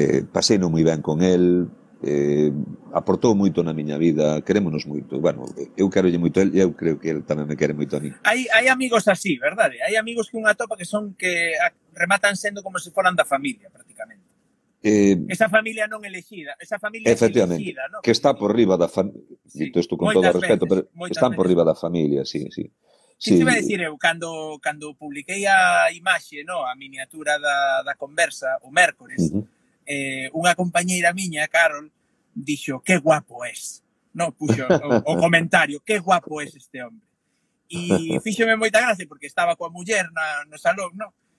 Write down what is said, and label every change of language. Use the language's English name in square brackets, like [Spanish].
[Galician] Paseino moi ben con él, aportou moito na miña vida, querémonos moito. Bueno, eu quero lle moito a él e eu creo que él tamén me quere moito a mí. Hai amigos así, verdade? Hai amigos que unha topa que son que rematan sendo como se foran da familia, prácticamente. Esa familia non elegida, esa familia elegida, non? Que está por riba da familia, sí, con todo o respeto, pero están veces por riba da familia, sí, sí. Sí, [Spanish] te iba a decir [Galician] eu cando publiquei a imaxe, no, a miniatura da conversa o mércores, uh-huh. Unha compañeira miña, Carol, dixo, [Spanish] "Qué guapo es." [Galician] No, puxo o comentario, [Spanish] "Qué guapo es este hombre." [Galician] E fíxome moita gracia porque estaba coa muller no salón, no?